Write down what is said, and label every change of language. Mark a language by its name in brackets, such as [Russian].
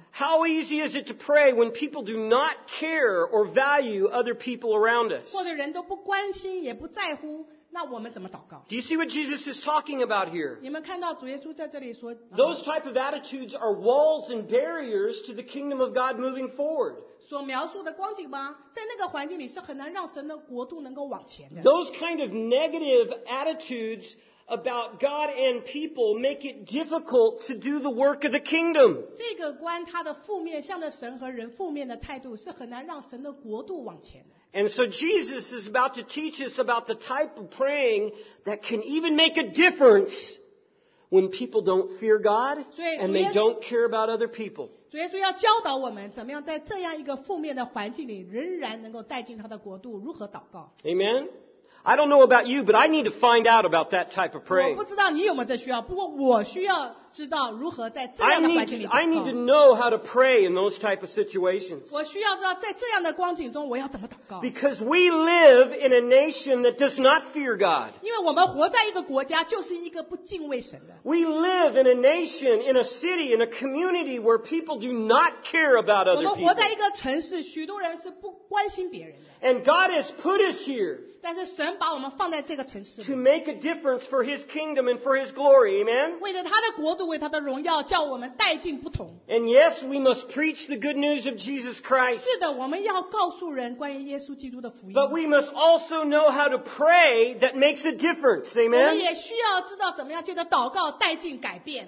[English] How easy is it to pray when people do not care or value other people around us? [Chinese] 或者人都不关心，也不在乎。那我们怎么祷告？ [English] Do you see what Jesus is talking about here? [Chinese] 你们看到主耶稣在这里说 [English] Those type of attitudes are walls and barriers to the kingdom of God moving forward. [Chinese] 所描述的光景吗？在那个环境里是很难让神的国度能够往前的。 [English] Those kind of negative attitudes about God and people make it difficult to do the work of the kingdom. [Chinese] 这个关他的负面向着神和人负面的态度是很难让神的国度往前的。 [English] And so Jesus is about to teach us about the type of praying that can even make a difference when people don't fear God and they don't care about other people. [Chinese] 主耶稣要教导我们怎么样在这样一个负面的环境里仍然能够带进他的国度，如何祷告。 [English] Amen. I don't know about you, but I need to find out about that type of praying. [Chinese] 我不知道你有没有这需要，不过我需要知道如何在这样的环境里祷告。 [English] I need to know how to pray in those type of situations. [Chinese] 我需要知道在这样的光景中我要怎么祷告。 [English] Because we live in a nation that does not fear God. [Chinese] 因为我们活在一个国家就是一个不敬畏神的。 [English] We live in a nation, in a city, in a community where people do not care about other people. [Chinese] 我们活在一个城市，许多人是不关心别人的。 [English] And God has put us here. [Chinese] 但是神把我们放在这个城市里。 [English] To make a difference for His kingdom and for His glory, amen? [Chinese] 为了他的国度，为他的荣耀，叫我们带进不同。 [English] And yes, we must preach the good news of Jesus Christ. [Chinese] 是的，我们要告诉人关于耶稣基督的福音。 [English] But we must also know how to pray that makes a difference, amen? [Chinese] 我们也需要知道怎么样借着祷告带进改变。